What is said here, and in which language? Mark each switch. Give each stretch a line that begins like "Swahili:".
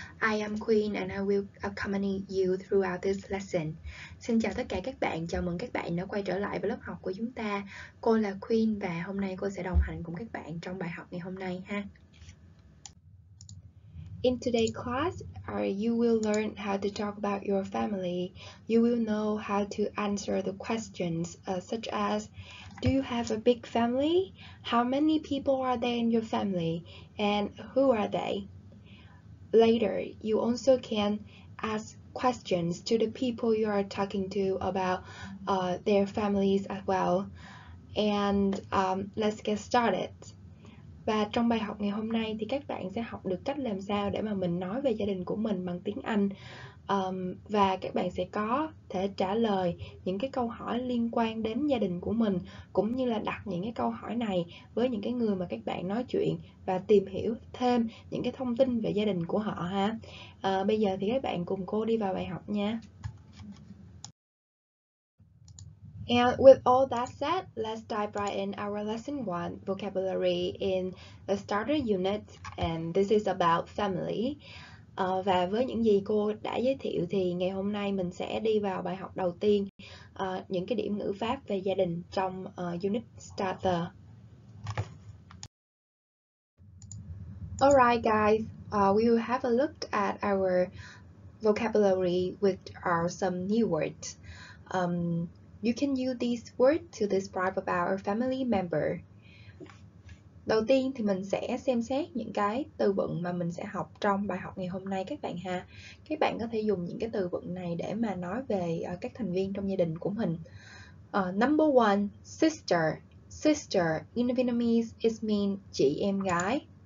English: I am Queen and I will accompany you throughout this lesson.
Vietnamese: Xin chào tất cả các bạn, chào mừng các bạn đã quay trở lại với lớp học của chúng ta. Cô là Queen và hôm nay cô sẽ đồng hành cùng các bạn trong bài học ngày hôm nay ha.
English: In today's class, you will learn how to talk about your family. You will know how to answer the questions such as, do you have a big family? How many people are there in your family? And who are they? Later, you also can ask questions to the people you are talking to about their families as well. And let's get started.
Vietnamese: Và trong bài học ngày hôm nay thì các bạn sẽ học được cách làm sao để mà mình nói về gia đình của mình bằng tiếng Anh. Và các bạn sẽ có thể trả lời những cái câu hỏi liên quan đến gia đình của mình, cũng như là đặt những cái câu hỏi này với những cái người mà các bạn nói chuyện và tìm hiểu thêm những cái thông tin về gia đình của họ ha. Bây giờ thì các bạn cùng cô đi vào bài học nha.
English: And with all that said, let's dive right in our lesson 1 vocabulary in the starter unit, and this is about family.
Vietnamese: Và với những gì cô đã giới thiệu thì ngày hôm nay mình sẽ đi vào bài học đầu tiên, những cái điểm ngữ pháp về gia đình trong unit starter.
English: Alright guys, we will have a look at our vocabulary, which are some new words. You can use this word to describe about a family member.
Vietnamese: Đầu tiên thì mình sẽ xem xét những cái từ vựng mà mình sẽ học trong bài học ngày hôm nay các bạn ha. Các bạn có thể dùng những cái từ vựng này để mà nói về các thành viên trong gia đình của mình.
English: Number one, sister. Sister in Vietnamese is mean
Vietnamese: chị em gái.